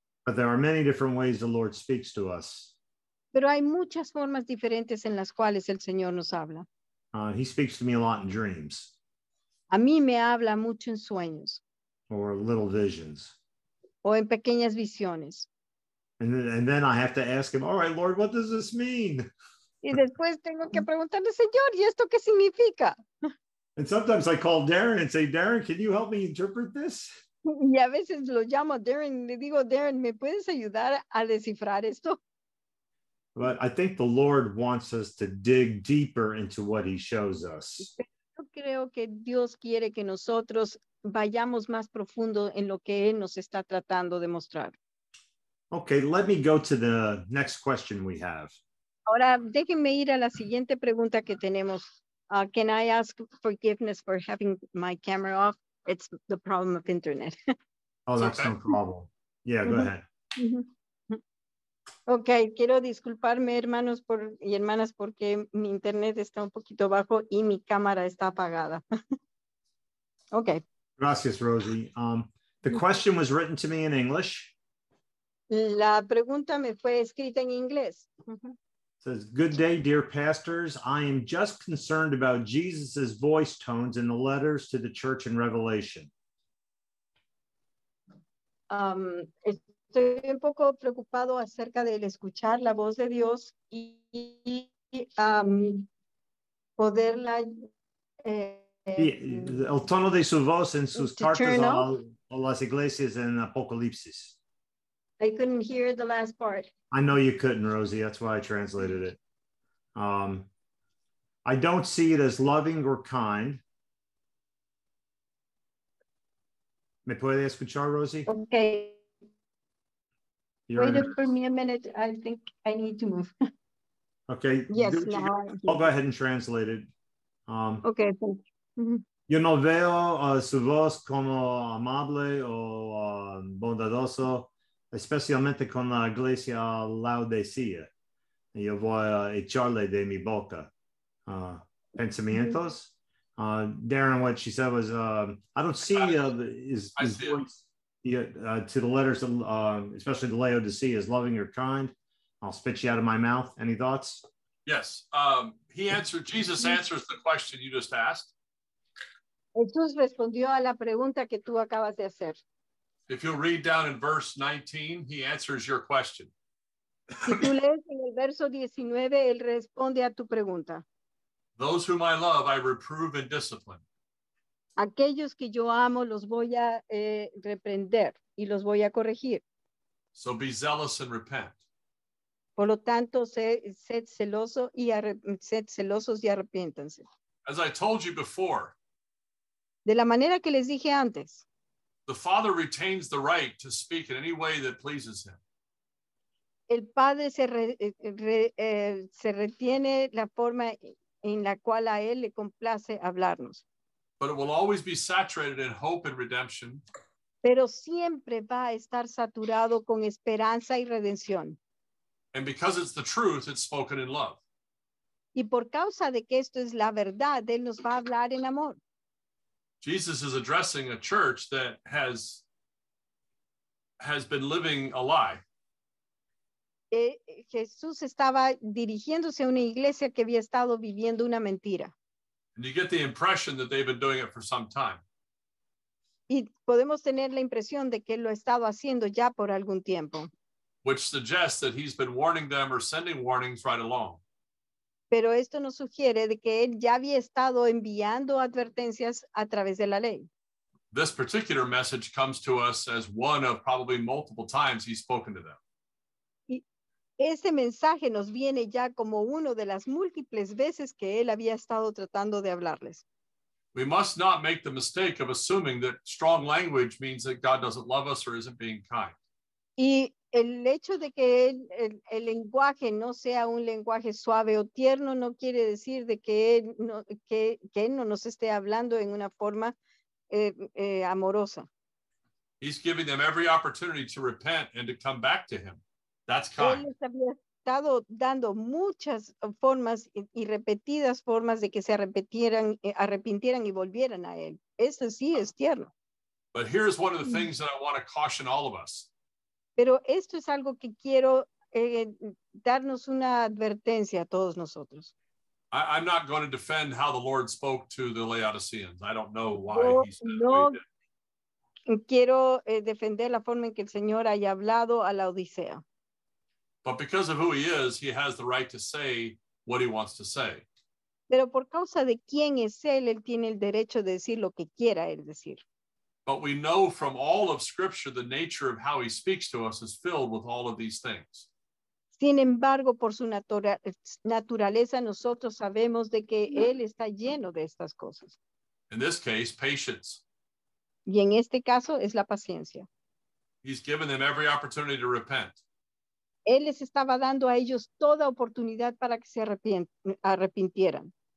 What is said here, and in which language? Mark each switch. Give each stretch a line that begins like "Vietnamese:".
English: But there are many different ways the Lord speaks to us.
Spanish: Pero hay muchas formas diferentes en las cuales el Señor nos habla.
English: He speaks to me a lot in dreams.
Spanish: A mí me habla mucho en sueños.
English: Or little visions.
Spanish: O en pequeñas visiones.
English: And then I have to ask him, all right, Lord, what does this mean?
Spanish: Y después tengo que preguntarle, Señor, ¿y esto qué significa?
English: And sometimes I call Darren and say, Darren, can you help me interpret this?
Spanish: Y a veces lo llamo a Darren y le digo, Darren, ¿me puedes ayudar a descifrar esto?
English: But I think the Lord wants us to dig deeper into what he shows us.
Spanish: Yo creo que Dios quiere que nosotros vayamos más profundo en lo que él nos está tratando de mostrar.
English: Okay, let me go to the next question we have.
Spanish: Ahora, déjenme ir a la siguiente pregunta que tenemos.
English: Can I ask forgiveness for having my camera off? It's the problem of internet. Oh, that's no problem. Yeah, go ahead.
Spanish: Okay, quiero disculparme, hermanos por y hermanas, porque mi internet está un poquito bajo y mi cámara está apagada.
English: Okay.
Spanish: Gracias, Rosie.
English: The question was written to me in English.
Spanish: La pregunta me fue escrita en inglés.
English: Says, good day, dear pastors. I am just concerned about Jesus's voice tones in the letters to the church in Revelation.
Spanish: Estoy un poco preocupado acerca del escuchar la voz de Dios y poderla. El tono de su voz en sus cartas a las iglesias en Apocalipsis.
English: I couldn't hear the last part. I know you couldn't, Rosie. That's why I translated it. I don't see it as loving or kind.
Spanish: ¿Me puede escuchar, Rosie?
English: Okay. For me a minute. I think I need to move. Okay. Yes, now. I'll go ahead and translate it. Okay, thank you.
Spanish: Yo no veo su voz como amable o bondadoso. Especialmente con la iglesia Laodicea. Yo voy a echarle de mi boca. Pensamientos.
English: Darren, what she said was, I don't see, I see voice. to the letters, especially the Laodicea, is loving or kind. I'll spit you out of my mouth. Any thoughts? Yes. He answered, Jesus answers the question you just asked.
Spanish: Jesús respondió a la pregunta que tú acabas de hacer.
English: If you'll read down in verse 19, he answers your question.
Spanish: Si tú lees en el verso 19, él responde a tu pregunta.
English: Those whom I love, I reprove and discipline.
Spanish: Aquellos que yo amo, los voy a reprender y los voy a corregir.
English: So be zealous and repent.
Spanish: Por lo tanto, sed celosos y arrepiéntanse.
English: As I told you before,
Spanish: de la manera que les dije antes,
English: the Father retains the right to speak in any way that pleases him.
Spanish: El Padre se retiene la forma en la cual a él le complace hablarnos.
English: But it will always be saturated in hope and redemption.
Spanish: Pero siempre va a estar saturado con esperanza y redención.
English: And because it's the truth, it's spoken in love.
Spanish: Y por causa de que esto es la verdad, él nos va a hablar en amor.
English: Jesus is addressing a church that has been living a lie.
Spanish: Jesús estaba dirigiéndose a una iglesia que había estado viviendo una mentira.
English: And you get the impression that they've been doing it for some time.
Spanish: Y podemos tener la impresión de que lo ha estado haciendo ya por algún tiempo.
English: Which suggests that he's been warning them or sending warnings right along.
Spanish: Pero esto nos sugiere de que él ya había estado enviando advertencias a través de la ley.
English: This particular message comes to us as one of probably multiple times he's spoken to them.
Spanish: Este mensaje nos viene ya como uno de las múltiples veces que él había estado tratando de hablarles.
English: We must not make the mistake of assuming that strong language means that God doesn't love us or isn't being kind.
Spanish: Y el hecho de que el lenguaje no sea un lenguaje suave o tierno no quiere decir de que él no, que él no nos esté hablando en una forma amorosa.
English: He's giving them every opportunity to repent and to come back to him. That's kind.
Spanish: Él les había estado dando muchas formas y repetidas formas de que se arrepintieran y volvieran a él. Eso sí es tierno.
English: But here's one of the things that I want to caution all of us.
Spanish: Pero esto es algo que quiero darnos una advertencia a todos nosotros.
English: I'm not going to defend how the Lord spoke to the Laodiceans. I don't know why
Spanish: quiero defender la forma en que el Señor haya hablado a la Odisea.
English: But because of who he is, he has the right to say what he wants to say.
Spanish: Pero por causa de quién es él, él tiene el derecho de decir lo que quiera él decir.
English: But we know from all of Scripture the nature of how he speaks to us is filled with all of these things.
Spanish: Sin embargo, por su naturaleza, nosotros sabemos de que él está lleno de estas cosas.
English: In this case, patience.
Spanish: Y en este caso, es la paciencia.
English: He's given them every opportunity to repent.
Spanish: Él les estaba dando a ellos toda oportunidad para que se arrepintieran.